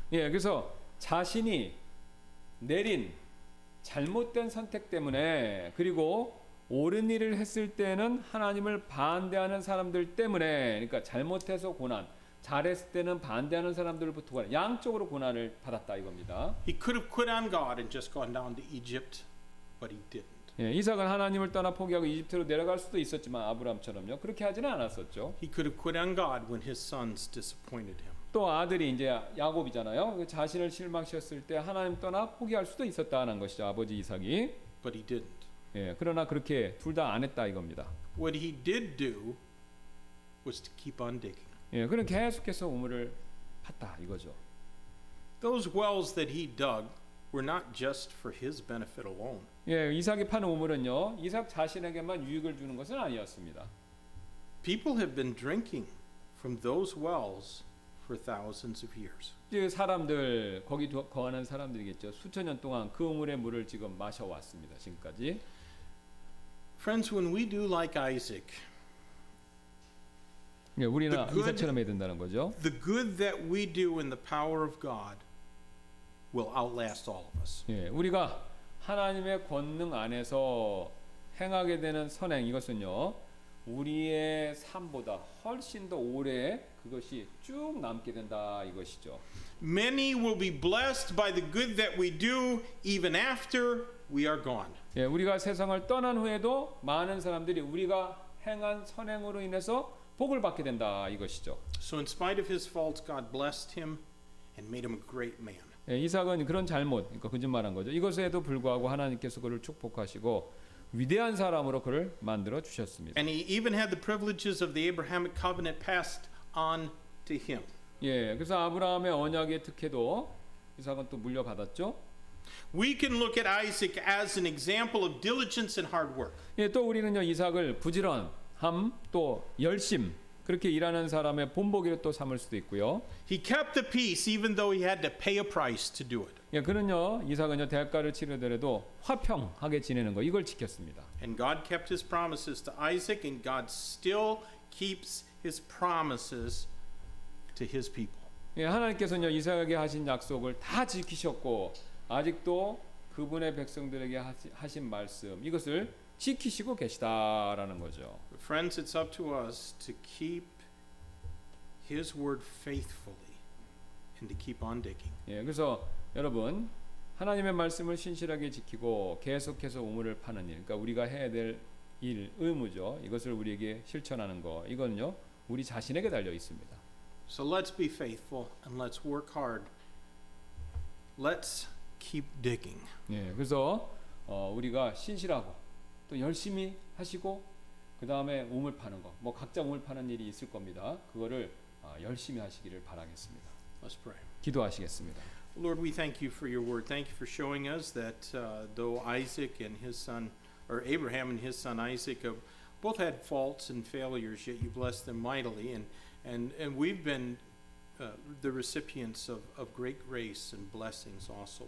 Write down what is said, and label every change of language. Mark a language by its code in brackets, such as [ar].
[ko] 예, 그래서 자신이 내린 잘못된 선택 때문에 그리고 옳은 일을 했을 때는 하나님을 반대하는 사람들 때문에 그러니까 잘못해서 고난, 잘했을 때는 반대하는 사람들부터 고난, 양쪽으로 고난을 받았다 이겁니다. [en] He could have quit on God and just gone down to Egypt, but he didn't. [ko] 예, 이삭은 하나님을 떠나 포기하고 이집트로 내려갈 수도 있었지만 아브라함처럼요. 그렇게 하지는 않았었죠. [en] He could have quit on God when his sons disappointed him. [ko] 또 아들이 이제 야곱이잖아요. 자신을 실망시켰을 때 하나님 떠나 포기할 수도 있었다는 것이죠. 아버지 이삭이. [en] But he didn't. [ko] 예, 그러나 그렇게 둘 다 안 했다 이겁니다. [en] What he did do was to keep on digging. [ko] 예, 그는 계속해서 우물을 팠다 이거죠. [en] Those wells that he dug were not just for his benefit alone. [ko] 예, 이삭이 파는 우물은요. 이삭 자신에게만 유익을 주는 것은 아니었습니다. [en] People have been drinking from those wells for thousands of years. [ko] 이제 사람들 거기 거하는 사람들이겠죠. 수천 년 동안 그 우물의 물을 지금 마셔 왔습니다. 지금까지. [en] Friends, when we do like Isaac. [ko] 예, 우리나 이삭처럼 해야 된다는 거죠. [en] The good that we do in the power of God will outlast all of us. [ko] 예, 우리가 하나님의 권능 안에서 행하게 되는 선행 이것은요. 우리의 삶보다 훨씬 더 오래 그것이 쭉 남게 된다 이것이죠. [en] Many will be blessed by the good that we do even after we are gone. [ko] 예, 우리가 세상을 떠난 후에도 많은 사람들이 우리가 행한 선행으로 인해서 복을 받게 된다 이것이죠. [en] So in spite of his faults, God blessed him and made him a great man. [ko] 예, 이삭은 그런 잘못, 그러니까 거짓말한 거죠. 이것에도 불구하고 하나님께서 그를 축복하시고 위대한 사람으로 그를 만들어 주셨습니다. [en] And he even had the privileges of the Abrahamic covenant passed on to him. [ko] 예, 그래서 아브라함의 언약의 특혜도 이삭은 또 물려받았죠. [en] We can look at Isaac as an example of diligence and hard work. [ko] 예, 또 우리는요 이삭을 부지런함 또 열심 그렇게 일하는 사람의 본보기로 또 삼을 수도 있고요. [en] He kept the peace even though he had to pay a price to do it. [ko] 예, 그는요 이삭은요 대가를 치르더라도 화평하게 지내는 거 이걸 지켰습니다. [en] And God kept his promises to Isaac and God still keeps His promises to His people. [ko] 예, 하나님께서는요 이삭에게 하신 약속을 다 지키셨고 아직도 그분의 백성들에게 하신 말씀 이것을 지키시고 계시다라는 거죠. [en] Friends, it's up to us to keep His word faithfully and to keep on digging. [ko] 예, 그래서 여러분 하나님의 말씀을 신실하게 지키고 계속해서 우물을 파는 일, 그러니까 우리가 해야 될 일 의무죠. 이것을 우리에게 실천하는 거 이거는요. 우리 자신에게 달려 있습니다. [en] So let's be faithful and let's work hard. Let's keep digging. [ko] 예, 그래서 우리가 신실하고 또 열심히 하시고 그 다음에 우물 파는 거, 뭐 각자 우물 파는 일이 있을 겁니다. 그거를 열심히 하시기를 바라겠습니다. [en] Let's pray. [ko] 기도하시겠습니다. [en] Lord, we thank you for your word. Thank you for showing us that though Isaac and his son, or Abraham and his son Isaac, have both had faults and failures, yet you blessed them mightily. And we've been the recipients of great grace and blessings also.